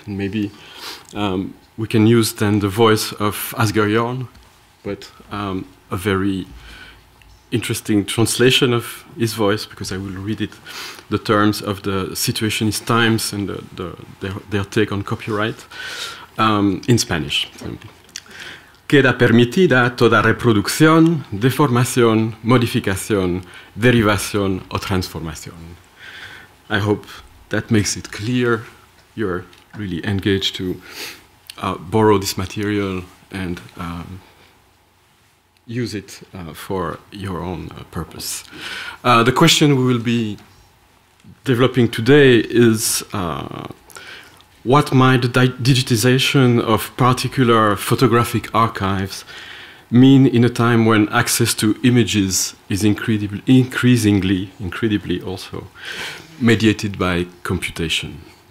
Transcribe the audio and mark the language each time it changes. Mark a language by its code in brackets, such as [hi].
[en] And maybe we can use then the voice of Asger Jorn, but a very interesting translation of his voice, because I will read it, the terms of the Situationist Times and their take on copyright in Spanish. [es] Queda permitida toda reproducción, deformación, modificación, derivación o transformación. [en] I hope that makes it clear you're really engaged to borrow this material and use it for your own purpose. The question we will be developing today is what might the digitization of particular photographic archives mean in a time when access to images is increasingly also mediated by computation?